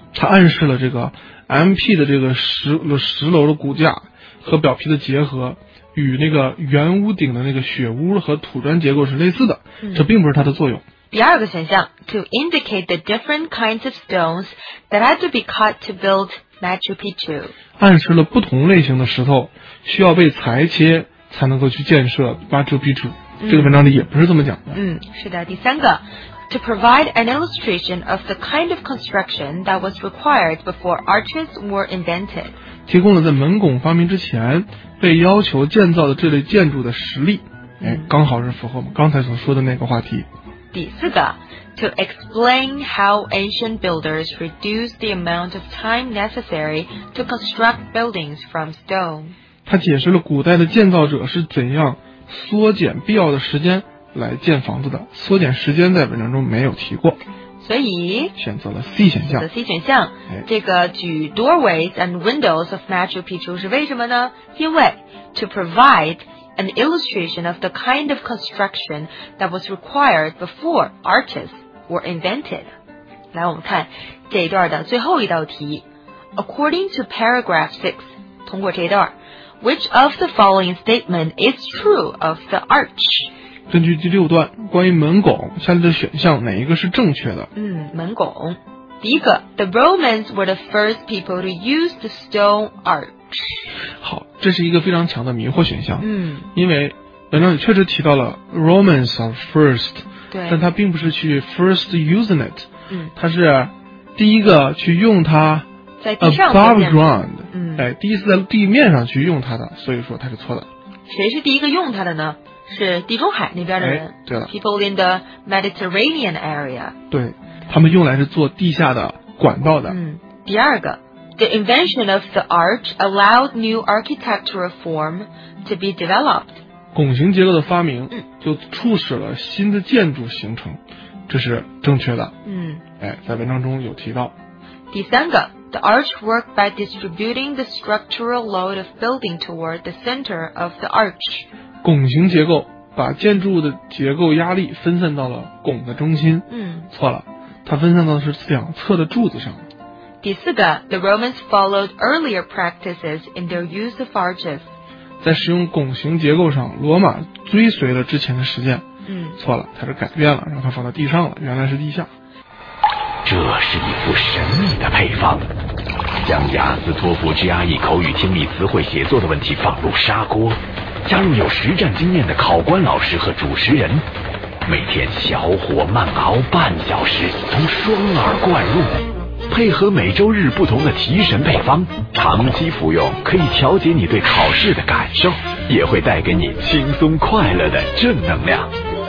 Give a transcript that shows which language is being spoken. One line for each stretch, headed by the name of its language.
Chinese: 它暗示了这个 MP 的这个十楼的骨架和表皮的结合，与那个圆屋顶的那个雪屋和土砖结构是类似的，这并不是它的作用。第二个选项
English: ，to indicate the different kinds of stones that had to be cut to build。 Machu Picchu
Chinese: 暗示了不同类型的石头需要被裁切才能够去建设 Machu Picchu。这个文章里也不是这么讲的。是的。第三个
English: To provide an illustration of the kind of construction that was required before arches were invented，
Chinese: 提供了在门拱发明之前被要求建造的这类建筑的实例，刚好是符合我们刚才所说的那个话题。第四个
English: To explain how ancient builders reduced the amount of time necessary to construct buildings from stone.
Chinese: 他解释了古代的建造者是怎样缩减必要的时间来建房子的。缩减时间在文章中没有提过，所以选择了 C 选项。 C 选项，这个举
English: doorways and windows of Machu Picchu
Chinese: 是为什么呢？因为
English: to provide。 An illustration of the kind of construction that was required before arches were invented.
Chinese: 来，我们看这一段的最后一道题。
English: According to paragraph 6,
Chinese: 通过这一段，
English: which of the following statement is true of the arch?
Chinese: 根据第六段，关于门拱，下列的选项哪一个是正确的？门拱。第一个，
English: the Romans were the first people to use the stone arch.
Chinese: 好，这是一个非常强的迷惑选项。因为文章里确实提到了
English: Romans are first，
Chinese: 对，但他并不是去
English: first using it，
Chinese: 他是第一个去用它，在地上
English: above ground，
Chinese: 第一次在地面上去用它的，所以说它是错的。谁是第一个用它的呢？是地中海那边的人。对了，
English: people in the Mediterranean area，
Chinese: 对，他们用来是做地下的管道的。第二个，
English: The invention of the arch allowed new architectural form to be developed.
Chinese: 拱形结构的发明就促使了新的建筑形成，这是正确的。在文章中有提到。第三个，
English: The arch worked by distributing the structural load of building toward the center of the arch.
Chinese: 拱形结构把建筑的结构压力分散到了拱的中心。嗯，错了，它分散到的是两侧的柱子上。第四个
English: ，The Romans followed earlier practices in their use of arches.
Chinese: 在使用拱形结构上，罗马追随了之前的实践。嗯，错了，它是改变了，让它放到地上了，原来是地下。这是一幅神秘的配方，将雅思托福 GRE 口语听力词汇写作的问题放入砂锅，加入有实战经验的考官老师和主持人，每天小火慢熬半小时，从双耳灌入，配合每周日不同的提神配方，长期服用可以调节你对考试的感受，也会带给你轻松快乐的正能量。